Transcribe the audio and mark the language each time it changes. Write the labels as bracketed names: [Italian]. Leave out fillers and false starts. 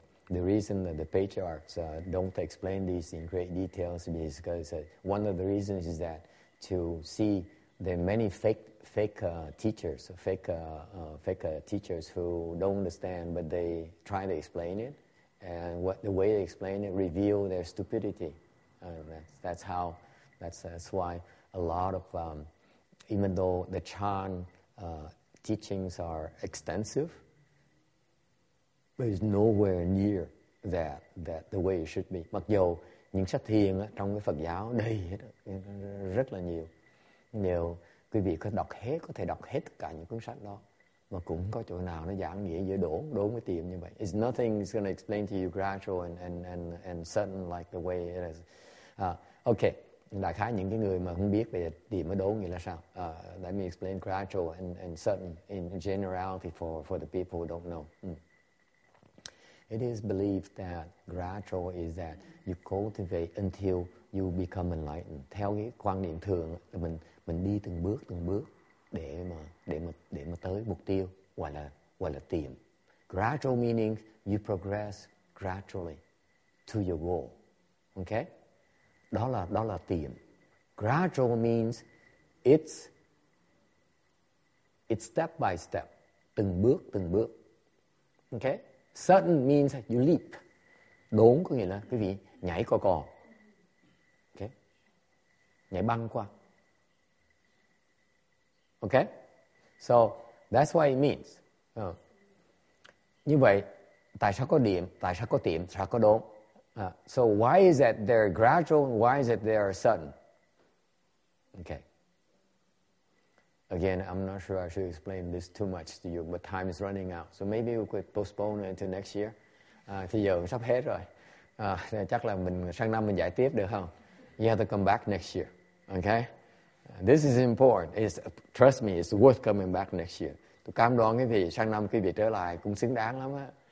[English] The reason that the patriarchs don't explain these in great details is because one of the reasons is that to see the many fake teachers who don't understand, but they try to explain it, and what the way they explain it reveal their stupidity. That's why a lot of even though the Chan teachings are extensive, but it's nowhere near that the way it should be. [Vietnamese] Mặc dù những sách thiền á, trong cái Phật giáo đầy hết, rất là nhiều. Nhiều quý vị có đọc hết, có thể đọc hết tất cả những cuốn sách đó, mà cũng có chỗ nào nó giảng nghĩa giữa đốn cái tiệm như vậy. [English] It's nothing is going to explain to you gradual and certain like the way it is. [Vietnamese] Okay, đại khái những cái người mà không biết về tiệm mới đốn nghĩa là sao. [English] Let me explain gradual and certain in generality for the people who don't know. It is believed that gradual is that you cultivate until you become enlightened. [Vietnamese] Theo cái quan niệm thường là mình đi từng bước để mà tới mục tiêu gọi là tiệm. [English] Gradual meaning you progress gradually to your goal. Okay? [Vietnamese] Đó là tiệm. [English] Gradual means it's step by step, [Vietnamese] từng bước. [English] Okay? Certain means you leap. [Vietnamese] Đốn có nghĩa là quý vị nhảy cò cò. Okay. Nhảy băng qua. [English] Okay. So that's what it means. [Vietnamese] Như vậy, tại sao có điểm, tại sao có tiệm, tại sao có đốn? [English] So why is that they're gradual and why is it they're certain? Okay. Again, I'm not sure I should explain this too much to you, but time is running out. So maybe we could postpone it to next year. [Vietnamese] Thì giờ cũng sắp hết rồi. Chắc là mình sang năm mình giải tiếp được không? [English] You have to come back next year. Okay? This is important. Trust me, it's worth coming back next year. [Vietnamese] Tôi cam đoan quý vị, sang năm quý vị trở lại cũng xứng đáng lắm á.